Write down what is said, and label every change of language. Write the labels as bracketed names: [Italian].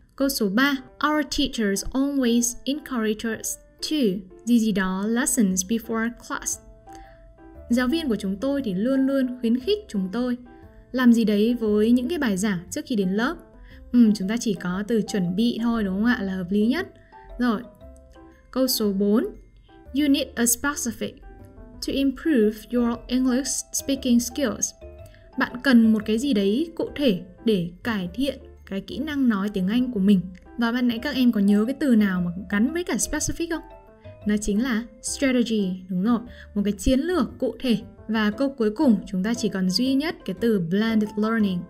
[Vietnamese] Câu số 3, [English] our teachers always encourage us to [Vietnamese] gì gì đó [English] lessons before class. [Vietnamese] Giáo viên của chúng tôi thì luôn luôn khuyến khích chúng tôi làm gì đấy với những cái bài giảng trước khi đến lớp. Chúng ta chỉ có từ chuẩn bị thôi đúng không ạ, là hợp lý nhất. Rồi, câu số 4, [English] you need a specific to improve your English speaking skills. [Vietnamese] Bạn cần một cái gì đấy cụ thể để cải thiện cái kỹ năng nói tiếng Anh của mình. Và ban nãy các em có nhớ cái từ nào mà gắn với cả specific không? Nó chính là strategy, đúng rồi, một cái chiến lược cụ thể. Và câu cuối cùng, chúng ta chỉ còn duy nhất cái từ blended learning.